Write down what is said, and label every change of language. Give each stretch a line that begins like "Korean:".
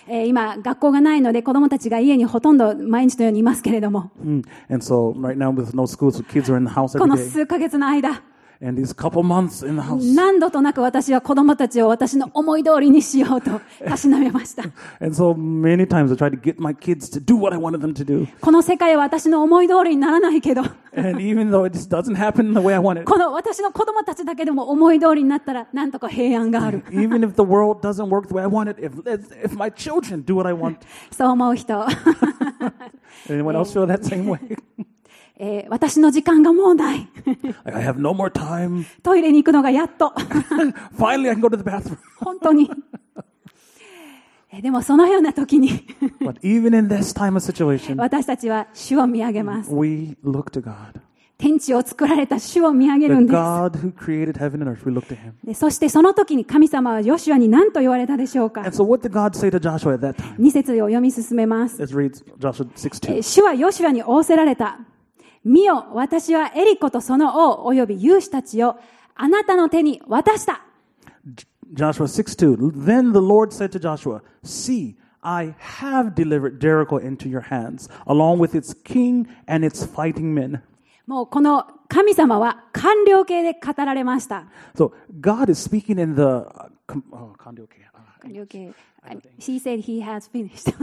Japanese: 今学校がないので子供たちが家にほとんど毎日のようにいますけれども。
English: And so right now with no school, so kids are in the house every day.
Japanese: この数ヶ月の間。
English: And these couple months in the house.
Japanese: 何度となく私は子供たちを私の思い通りにしようとたしなめました。
English: And so many times I tried to get my kids to do what I wanted them to do.
Japanese: この世界は私の思い通りにならないけど。
English: And even though it just doesn't happen the way I want it.
Japanese: この私の子供たちだけでも思い通りになったらなんとか平安がある。
English: Even if the world doesn't work the way I want it, if my children do what I want.
Japanese: そう思う人。
English: Anyone else feel that same way?
Japanese: 私の時間がもうない。
English: I have no more time.
Japanese: トイレに行くのがやっと。
English: Finally, I can go to the bathroom.
Japanese: 本当に。でもそのような時に
English: But even in this time of situation,
Japanese: 私たちは主を見上げます。
English: We look to God.
Japanese: 天地を作られた主を見上げるんです。
English: The God who created heaven and earth, we look to him.
Japanese: そしてその時に神様はヨシュアに何と言われたでしょうか。
English: And so what did God say to Joshua at that time?
Japanese: 2節を読み進めます。
English: Let's read Joshua 6:2.
Japanese: 主はヨシュアに仰せられた。見よ、私はエリコとその王及び勇士たちをあなたの手に渡した。
English: Joshua 6:2. Then the Lord said to Joshua, See, I have delivered Jericho into your hands, along with its king and its fighting men.
Japanese: もうこの神様は完了形で語られました。
English: So, God is speaking in the, 完了形。
Japanese: 完了形。
English: She said he has finished.